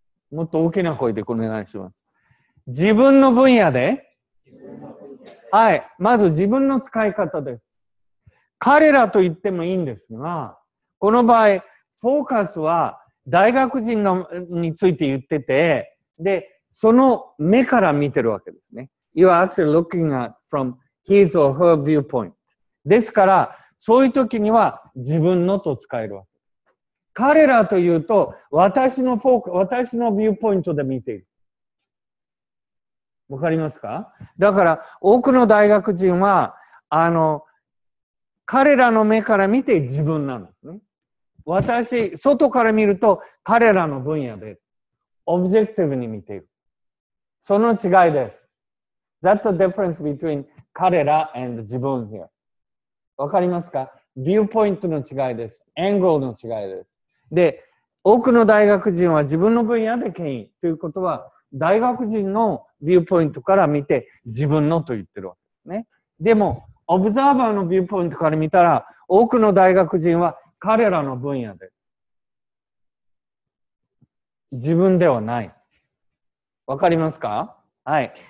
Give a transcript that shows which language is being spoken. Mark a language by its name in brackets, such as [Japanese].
[Japanese] もっと大きな声でお願いします。自分の分野で、はい。まず自分の使い方です。彼らと言ってもいいんですが、この場合、フォーカスは大学人のについて言ってて、で、その目から見てるわけですね。 [English] You are actually looking at from his or her viewpoint. [Japanese] ですから、そういう時には自分のと使えるわけ。彼らというと、私のフォーク、私のビューポイントで見ている。わかりますか？だから、多くの大学人は、彼らの目から見て自分なのね。私、外から見ると彼らの分野で、オブジェクティブに見ている。その違いです。 [English] That's the difference between 彼ら and 自分 here. [Japanese] わかりますか？ビューポイントの違いです。アングルの違いです。で、多くの大学人は自分の分野で権威ということは、大学人のビューポイントから見て自分のと言ってるわけですね。でも、オブザーバーのビューポイントから見たら、多くの大学人は彼らの分野で、自分ではない。わかりますか？はい。